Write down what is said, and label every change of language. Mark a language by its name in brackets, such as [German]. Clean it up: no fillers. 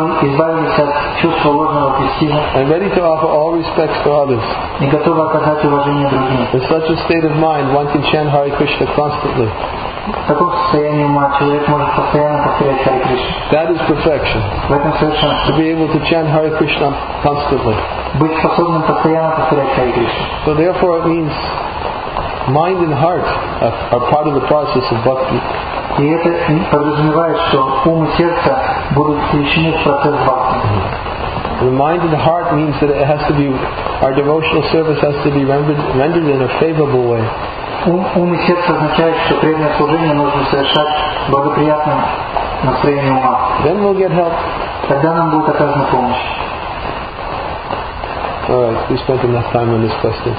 [Russian] избавились от чувства ложного престижа, [English] and ready to offer all respects to others, [Russian] и готовы оказать уважение другим. [English] In such a state of mind, one can chant Hare Krishna constantly. [Russian] В таком состоянии ума человек может постоянно повторять Hare Krishna. [English] That is perfection. [Russian] В этом совершенство. [English] To be able to chant Hare Krishna constantly. [Russian] Быть способным постоянно повторять Hare Krishna. [English] So therefore it means mind and heart are part of the process of bhakti. [Russian] И это подразумевает, что ум и сердце будут включены в процесс бхакти. [English] The mind and heart means that it has to be, our devotional service has to be rendered in a favorable way. [Russian] Ум и сердце означает, что преданное служение нужно совершать благоприятным настроением ума. [English] Then we'll get help. [Russian] Тогда нам будет оказана помощь. [English] All right, we spent enough time on this question.